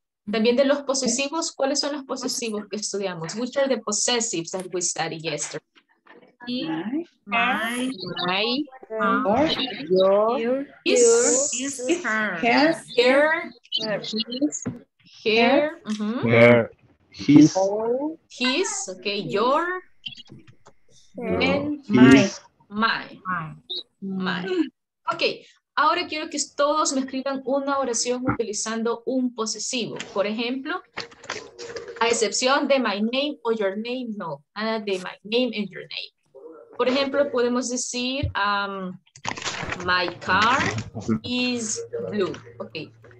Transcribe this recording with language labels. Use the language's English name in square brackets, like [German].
[Spanish] También de los posesivos, ¿cuáles son los posesivos que estudiamos? [English] Which are the possessives that we studied yesterday? My. Okay. [Spanish] Ahora quiero que todos me escriban una oración utilizando un posesivo. Por ejemplo, a excepción de [English] my name or your name, [Spanish] no. Nada de [English] my name and your name. [Spanish] Por ejemplo, podemos decir, [English] my car is blue. [Spanish] Okay.